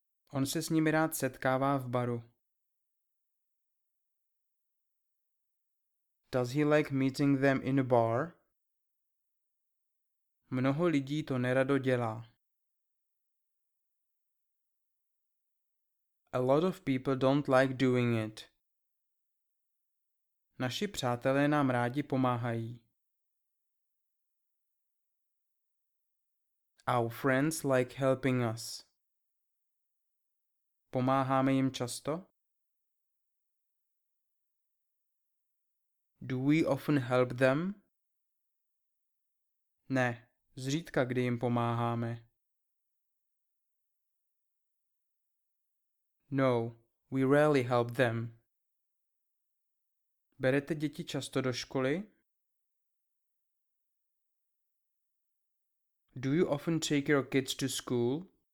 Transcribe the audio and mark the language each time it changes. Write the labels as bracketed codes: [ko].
[cs] On se s nimi rád setkává v baru. [en] Does he like meeting them in a bar? [cs] Mnoho lidí to nerado dělá. [en] A lot of people don't like doing it. [cs] Naši přátelé nám rádi pomáhají. [en] Our friends like helping us. [cs] Pomáháme jim často? [en] Do we often help them? [cs] Ne, zřídka kdy jim pomáháme. [en] No, we rarely help them. [cs] Berete děti často do školy? [en] Do you often take your kids to school?